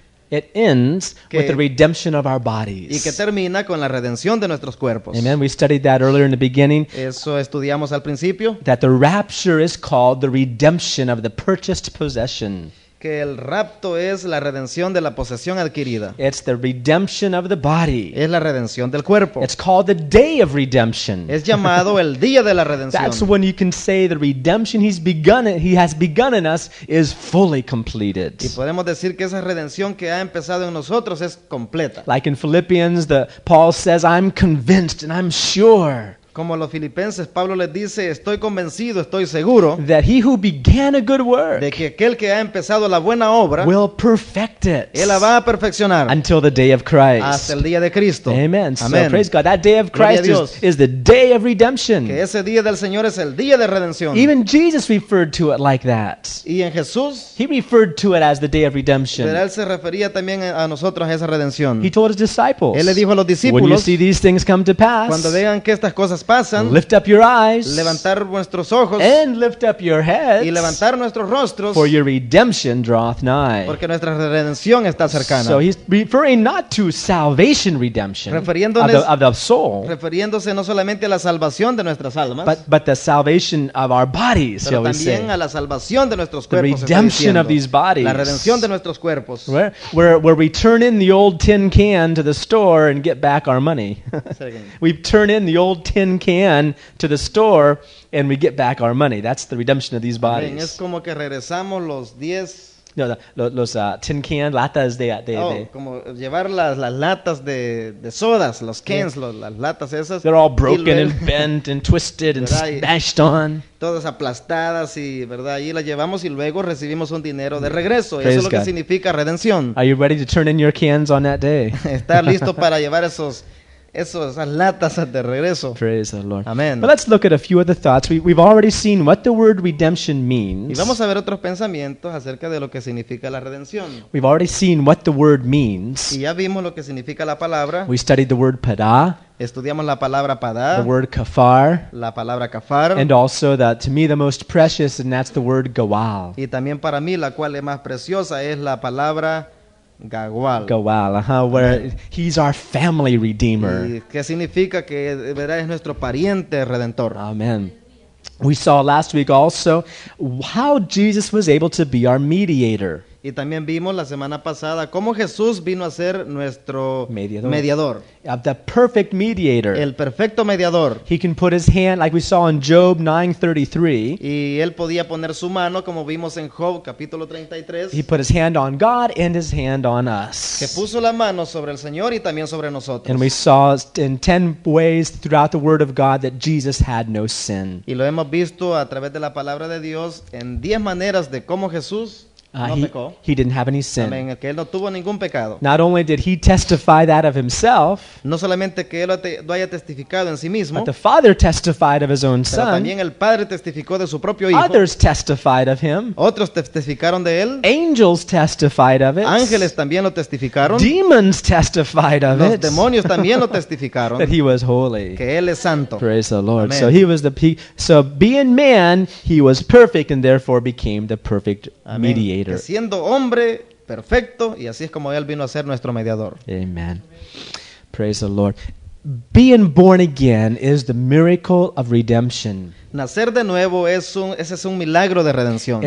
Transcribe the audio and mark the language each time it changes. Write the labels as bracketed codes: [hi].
[en] It ends with the redemption of our bodies. [es] Y que termina con la redención de nuestros cuerpos. Amen. [en] We studied that earlier in the beginning. [es] Eso estudiamos al principio. [en] That the rapture is called the redemption of the purchased possession. [es] Que el rapto es la redención de la posesión adquirida. [en] It's the redemption of the body. [es] Es la redención del cuerpo. [en] It's called the day of redemption. [es] Es llamado el día de la redención. [en] That's when you can say the redemption he has begun in us is fully completed. [es] Y podemos decir que esa redención que ha empezado en nosotros es completa. [en] Like in Philippians, Paul says, I'm convinced and I'm sure. [es] Como los filipenses, Pablo les dice, estoy convencido, estoy seguro [en] that he who began a good work [es] de que aquel que ha empezado la buena obra [en] will perfect it, [es] él la va a perfeccionar [en] until the day of Christ. [es] Hasta el día de Cristo. [en] Amen. Amen. So praise God. That day of Christ is the day of redemption. [es] Que ese día del Señor es el día de redención. [en] Even Jesus referred to it like that. [es] Y en Jesús, [en] he referred to it as the day of redemption. [es] Pero él se refería también a nosotros a esa redención. [en] He told his disciples, [es] él le dijo a los discípulos, [en] when you see these things come to pass, [es] cuando vean que estas cosas cosas pasan, [en] lift up your eyes, [es] levantar vuestros ojos, [en] and lift up your heads, [es] y levantar nuestros rostros, [en] for your redemption draweth nigh. [es] Porque nuestra redención está cercana. [en] So he's referring not to salvation redemption of the soul, [es] refiriéndose no solamente a la salvación de nuestras almas, [en] but the salvation of our bodies, [es] pero también [en] saying. [es] A la salvación de nuestros cuerpos, [en] the redemption of these bodies, [es] la redención de nuestros cuerpos, [en] where we turn in the old tin can to the store and get back our money. We turn in the old tin can to the store and we get back our money. That's the redemption of these bodies. [es] Bien, es como que regresamos los diez. No, los [en] tin can, [es] latas de... como llevar las latas de sodas, los [en] cans, yeah. [es] las latas esas. [en] They're all broken and bent and twisted and smashed on. [es] Todas aplastadas y, ¿verdad? Y las llevamos y luego recibimos un dinero de regreso. Praise y eso es lo que significa redención. [en] Are you ready to turn in your cans on that day? [es] Estar listo para llevar esas latas de regreso. [en] Praise the Lord. Amen. But let's look at a few of the thoughts. We've already seen what the word redemption means. [es] Y vamos a ver otros pensamientos acerca de lo que significa la redención. [en] We've already seen what the word means. [es] Y ya vimos lo que significa la palabra. [en] We studied the word pada. [es] Estudiamos la palabra pada. [en] The word kafar. [es] La palabra kafar. [en] And also that to me the most precious, and that's the word gawal. [es] Y también para mí la cual es más preciosa es la palabra Gawal. [en] Gawal, uh-huh, where he's our family redeemer. [es] ¿Qué significa que verdad es nuestro pariente redentor? Amen. [en] We saw last week also how Jesus was able to be our mediator. [es] Y también vimos la semana pasada cómo Jesús vino a ser nuestro mediador. [en] The perfect mediator. [es] El perfecto mediador. [en] He can put his hand, like we saw in Job 9:33. [es] Y él podía poner su mano, como vimos en Job capítulo 33. [en] He put his hand on God and his hand on us. [es] Que puso la mano sobre el Señor y también sobre nosotros. [en] And we saw in 10 ways throughout the Word of God that Jesus had no sin. [es] Y lo hemos visto a través de la palabra de Dios en 10 maneras de cómo Jesús [en] He didn't have any sin. [es] Amen, que él no tuvo ningún pecado. [en] Not only did he testify that of himself, [es] no solamente que él lo haya testificado en sí mismo, [en] but the Father testified of his own son. [es] También el Padre testificó de su propio hijo. [en] Others testified of him. [es] Otros testificaron de él. [en] Angels testified of it. [es] Ángeles también lo testificaron. [en] Demons testified of it. [es] Los demonios también lo testificaron. [en] That he was holy. [es] Que él es santo. [en] Praise the Lord. Amen. So he was so being man, he was perfect and therefore became the perfect mediator. [es] Que siendo hombre perfecto y así es como él vino a ser nuestro mediador. [en] Amen. Praise the Lord. Being born again is the miracle of redemption. [es] Nacer de nuevo es un milagro de redención.